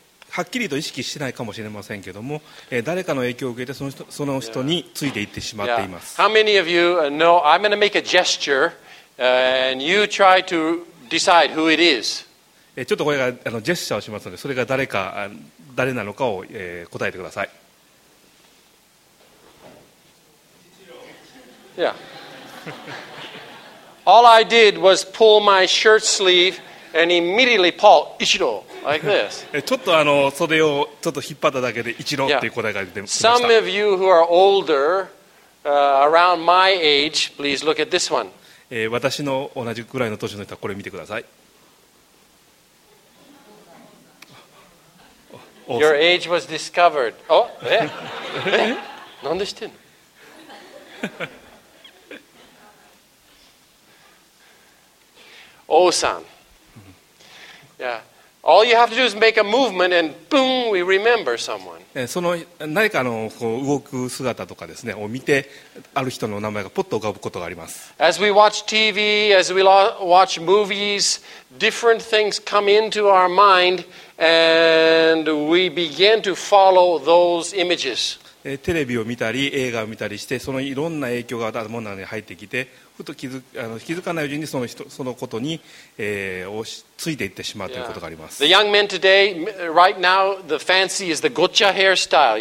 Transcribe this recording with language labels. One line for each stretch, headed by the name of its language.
Japanese: はっきりと意識してないかもしれませんけども、誰かの影響を受けてその人についていってしまっています。
English: Yeah. Yeah. How many of you know I'm going to make a gesture and you try to decide who it is?
Japanese: ちょっとこれがジェスチャーをしますので、それが誰なのかを、答えてください。
English: Yeah. All I did was pull my shirt sleeve and immediately Paul Ichiro. Like、this.
Japanese: ちょっと袖をちょっと引っ張っただけで一郎っていう答えが出てきました。
English: Some of you who are older, around my age, please look at this one. 私の同じくらいの年の人はこれ見てください。 Your age was discovered.
Japanese: Oh, eh? なんでしてんの？王さん。Yeah.
English: All you have to do is make a movement, and boom, we remember someone.
Japanese: その何かのこう動く姿とかですね、を見てある人の名前がポッと浮かぶことがあります。
English: As we watch TV, as we watch movies, different things come into our mind, and we begin to follow those images.
Japanese: テレビを見たり映画を見たりして、そのいろんな影響が頭の中に入ってきて。気づかないうちにそのことに、ついていってしまうということがあります。
English: Yeah. The young men today, right now, the fancy is the gotcha hairstyle.